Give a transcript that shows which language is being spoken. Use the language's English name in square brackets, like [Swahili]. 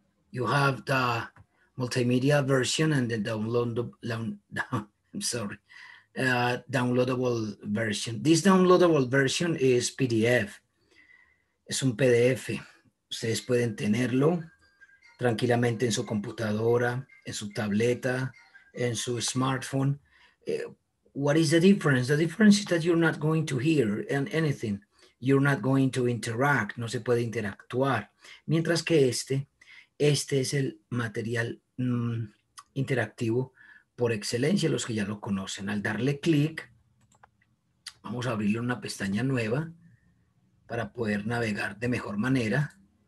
[English] You have the multimedia version and the downloadable version. This downloadable version is PDF. [Spanish] Es un PDF. Ustedes pueden tenerlo tranquilamente en su computadora, en su tableta, en su smartphone. [English] What is the difference? The difference is that you're not going to hear anything. You're not going to interact. [Spanish] No se puede interactuar. Mientras que este es el material interactivo por excelencia, los que ya lo conocen. Al darle clic, vamos a abrirle una pestaña nueva para poder navegar de mejor manera.